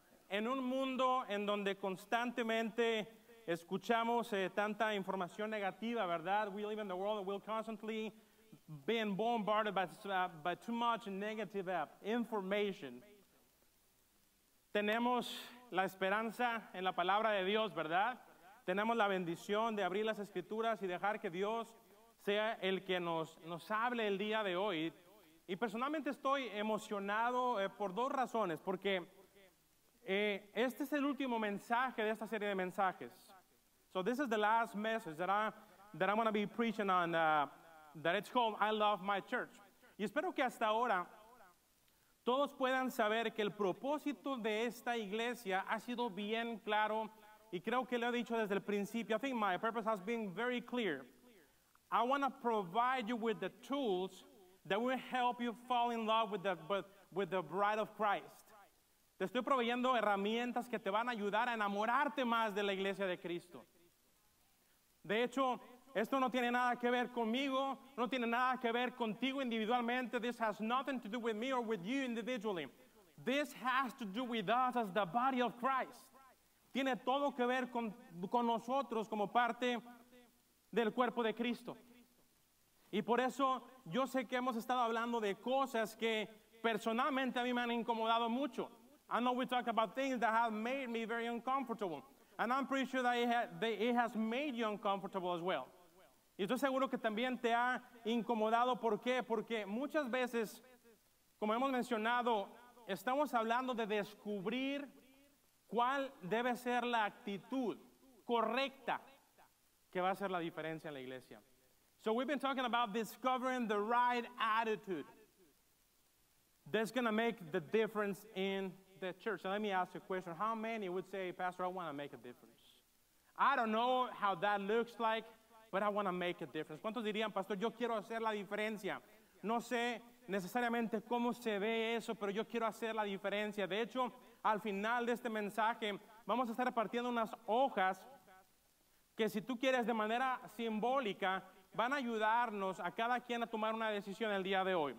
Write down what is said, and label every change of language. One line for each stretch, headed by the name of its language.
Spanish: En un mundo en donde constantemente escuchamos tanta información negativa, ¿verdad?
English: We live in the world and we're constantly being bombarded by too much negative information.
Spanish: Tenemos la esperanza en la palabra de Dios, ¿verdad? Tenemos la bendición de abrir las escrituras y dejar que Dios sea el que nos hable el día de hoy. Y personalmente estoy emocionado por dos razones, porque este es el último mensaje de esta serie de mensajes.
English: So this is the last message that I'm going to be preaching on, that it's called I Love My Church.
Spanish: Y espero que hasta ahora todos puedan saber que el propósito de esta iglesia ha sido bien claro. Y creo que lo he dicho desde el principio.
English: I think my purpose has been very clear. I want to provide you with the tools that will help you fall in love with the bride of Christ.
Spanish: Te estoy proveyendo herramientas que te van a ayudar a enamorarte más de la iglesia de Cristo. De hecho, esto no tiene nada que ver conmigo, no tiene nada que ver contigo individualmente.
English: This has nothing to do with me or with you individually. This has to do with us as the body of Christ.
Spanish: Tiene todo que ver con nosotros como parte del cuerpo de Cristo. Y por eso yo sé que hemos estado hablando de cosas que personalmente a mí me han incomodado mucho.
English: I know we talk about things that have made me very uncomfortable. And I'm pretty sure that it has made you uncomfortable as well.
Spanish: Y estoy seguro que también te ha incomodado. ¿Por qué? Porque muchas veces, como hemos mencionado, estamos hablando de descubrir cuál debe ser la actitud correcta que va a hacer la diferencia en la iglesia.
English: So we've been talking about discovering the right attitude that's going to make the difference in the church. So let me ask you a question. How many would say, Pastor, I want to make a difference? I don't know how that looks like, but I want to make a difference.
Spanish: ¿Cuántos dirían, Pastor, yo quiero hacer la diferencia? No sé necesariamente cómo se ve eso, pero yo quiero hacer la diferencia. De hecho, al final de este mensaje, vamos a estar repartiendo unas hojas que si tú quieres de manera simbólica, van a ayudarnos a cada quien a tomar una decisión el día de hoy.